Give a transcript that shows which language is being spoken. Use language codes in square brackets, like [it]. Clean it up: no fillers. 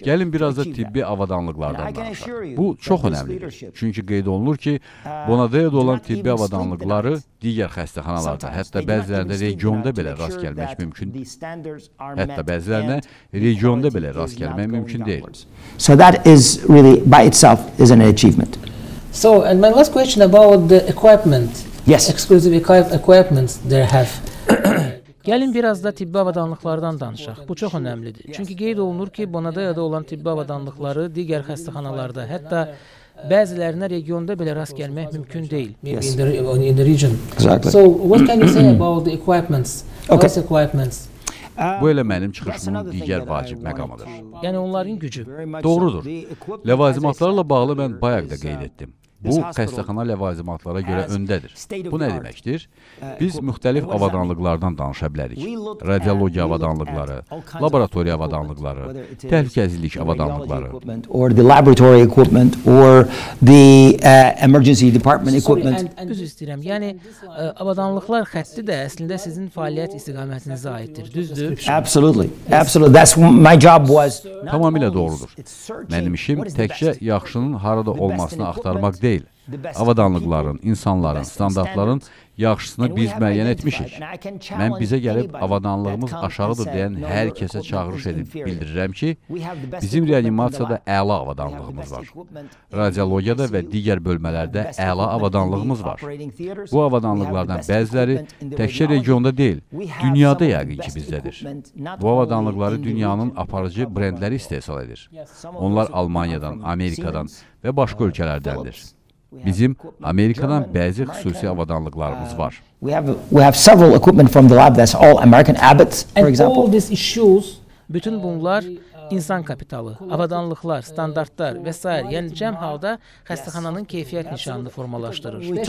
[az] Gəlin biraz da tibbi avadanlıqlardan danışaq. Bu çox önəmlidir. Çünki qeyd olunur ki, Bonadeya'da olan tibbi avadanlıqları digər xəstəxanalarda, hətta bəzilərində regionda belə rast gəlmək mümkün. Hətta bəzilərində regionda belə rast gəlmək mümkün deyil. [en] So that is really by itself is an achievement. So and my last question about the equipment. Yes. Exclusive equipment they have. [az] Gəlin biraz da tibbi avadanlıqlardan danışaq. Bu çox önəmlidir. Çünki qeyd olunur ki, Bonadeya'da olan tibbi avadanlıqları digər xəstəxanalarda, hətta bəzilərinə regionda belə rast gəlmək mümkün deyil. [en] Yes. In the region. Exactly. So, what can you say about the equipments? Okay. What equipments? [az] Bu elə mənim çıxışımın digər vacib məqamıdır. Yəni onların gücü. Doğrudur. Ləvazimatlarla bağlı mən bayaq da qeyd etdim. Bu, xəstəxana ləvazimatlara görə öndədir. Bu nə deməkdir? Biz müxtəlif avadanlıqlardan danışa bilərik. Radiologiya avadanlıqları, laboratoriya avadanlıqları, təhlükəsizlik avadanlıqları. [en] Or the laboratory equipment or the emergency department equipment. [az] Üzr istəyirəm. Yəni avadanlıqlar xətti də əslində sizin fəaliyyət istiqamətinizə aiddir. Düzdür? [en] Absolutely. Absolutely. That's my job was. [az] Tamamilə doğrudur. Mənim işim təkcə yaxşının harada olmasını axtarmaq deyil. Avadanlıqların, insanların, standartların yaxşısını biz müəyyən etmişik. Mən bizə gəlib avadanlığımız aşağıdır deyən hər kəsə çağırış edib bildirirəm ki, bizim reanimasiyada əla avadanlığımız var. Radiologiyada və digər bölmələrdə əla avadanlığımız var. Bu avadanlıqlardan bəziləri təkcə regionda deyil, dünyada yəqin ki bizdədir. Bu avadanlıqları dünyanın aparıcı brendləri istehsal edir. Onlar Almaniyadan, Amerikadan və başqa ölkələrdəndir. Bizim Amerikadan bəzi xüsusi avadanlıqlarımız var. [en] We have several equipment from the lab that's all American Abbott, for example. And all these issues, [az] bütün bunlar insan kapitalı, avadanlıqlar, standartlar və s. yəni cəm halda xəstəxananın keyfiyyət nişanını formalaşdırır.